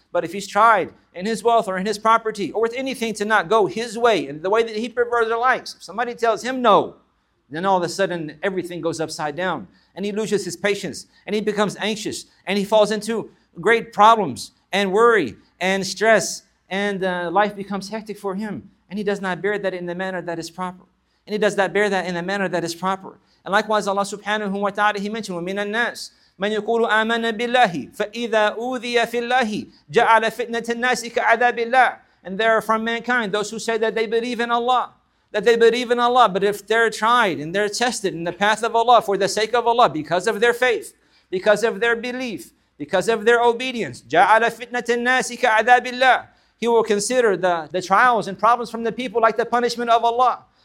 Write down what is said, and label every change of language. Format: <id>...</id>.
<en>But if he's tried in his wealth or in his property or with anything to not go his way in the way that he prefers or likes, if somebody tells him no, then all of a sudden everything goes upside down and he loses his patience and he becomes anxious and he falls into great problems and worry and stress and life becomes hectic for him. And he does not bear that in the manner that is proper. And he does not bear that in a manner that is proper. And likewise, Allah subhanahu wa ta'ala, He mentioned,</en> <ar>وَمِنَ النَّاسِ مَنْ يَقُولُ آمَنَ بِاللَّهِ فَإِذَا أُوذِيَ فِي اللَّهِ جَعَلَ فِتْنَةَ النَّاسِ كَعَذَابِ اللَّهِ.</ar> <en>And there are from mankind those who say that they believe in Allah, that they believe in Allah, but if they're tried and they're tested in the path of Allah for the sake of Allah, because of their faith, because of their belief, because of their obedience.</en> <ar>جَعَلَ فِتْنَةَ النَّاسِ كَعَذَابِ اللَّهِ</ar> <en>He will consider the trials and problems from the people like the punishment of Allah.</en>